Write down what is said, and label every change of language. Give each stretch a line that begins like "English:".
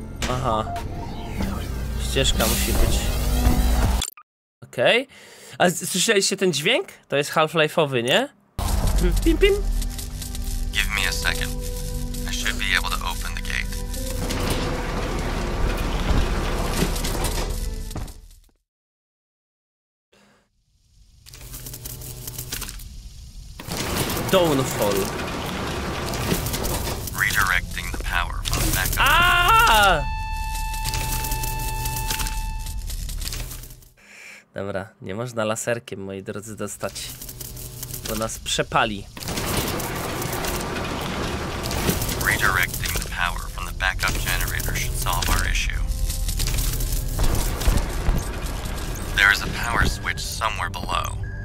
Polish: Aha. Ścieżka musi być. Okej. Okay. A słyszeliście ten dźwięk? To jest Half-Life'owy, nie? Pim, pim.
English: Give me a second. I should be able to open the gate. Downfall. Redirecting the power back up.
Polish: Dobra, nie można laserkiem, moi drodzy, dostać. Bo nas przepali.
English: Redirecting the power from the backup generator should solve our issue. There is a power switch somewhere below.